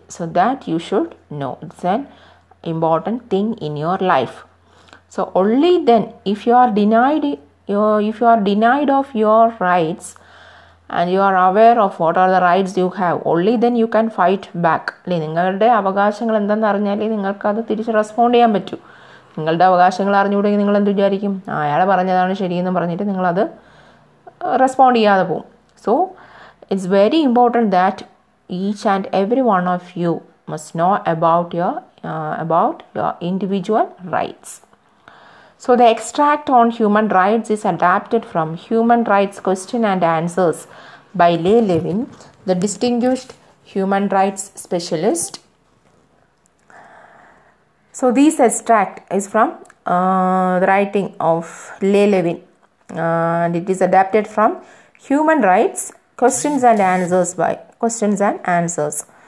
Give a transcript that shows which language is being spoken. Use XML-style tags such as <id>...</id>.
<en>So that you should know. It's an important thing in your life. So only then, if you are denied of your rights and you are aware of what are the rights you have, only then you can fight back.</en> <ml>നിങ്ങളുടെ അവകാശങ്ങൾ എന്താണെന്ന് അറിഞ്ഞാൽ നിങ്ങൾക്ക് അത് തിരിച്ച് respond ചെയ്യാൻ പറ്റൂ. നിങ്ങളുടെ അവകാശങ്ങൾ അറിഞ്ഞുകൂടെങ്കിൽ നിങ്ങൾ എന്ത് വിചാരിക്കും? അയാളെ പറഞ്ഞതാണ് ശരിയെന്ന് പറഞ്ഞിട്ട് നിങ്ങളത് റെസ്പോണ്ട് ചെയ്യാതെ പോവും.</ml> <en>So it's very important that each and every one of you must know about your individual rights. So the extract on human rights is adapted from Human Rights Question and Answers by Leigh Levin, the distinguished human rights specialist. So this extract is from the writing of Leigh Levin, and it is adapted from Human Rights Questions and Answers by Questions and Answers.</en>